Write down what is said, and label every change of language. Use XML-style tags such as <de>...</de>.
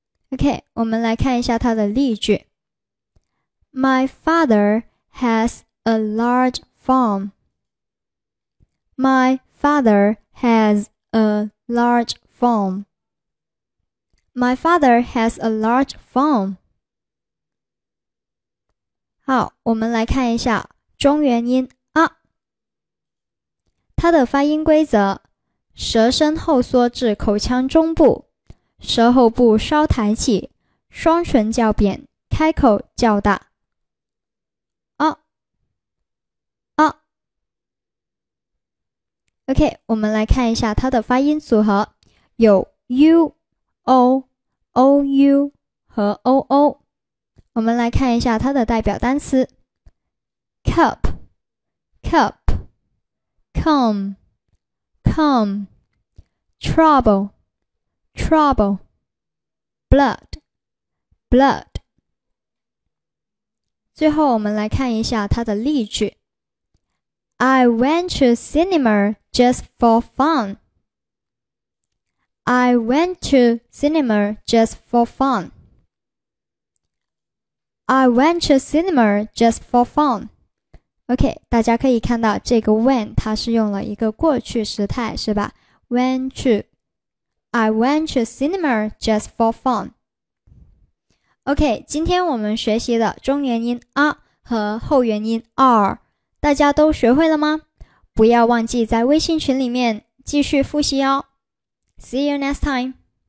<zh>OK， 我们来看一下它的例句 ：</zh> <en>My father has a large farm. My father has a large farm. My father has a large farm.</en> <zh>好，我们来看一下中元音啊。它的发音规则：舌身后缩至口腔中部，舌后部稍抬起，双唇较扁，开口较大。啊啊。 OK， 我们来看一下它的发音组合，有 U、O。 OU 和 OO， 我们来看一下它的代表单词 cup, cup, come, come, trouble, trouble, blood, blood。最后我们来看一下它的例句</zh> <en>I went to cinema just for funI went to cinema just for fun. I went to cinema just for fun.</en> <zh>OK， 大家可以看到这个 when 它是用了一个过去时态，是吧？</zh> <en>Went to， I went to cinema just for fun.</en> <zh>OK， 今天我们学习的中元音 R 和后元音 R， 大家都学会了吗？不要忘记在微信群里面继续复习哦。</zh> <en>See you next time.</en>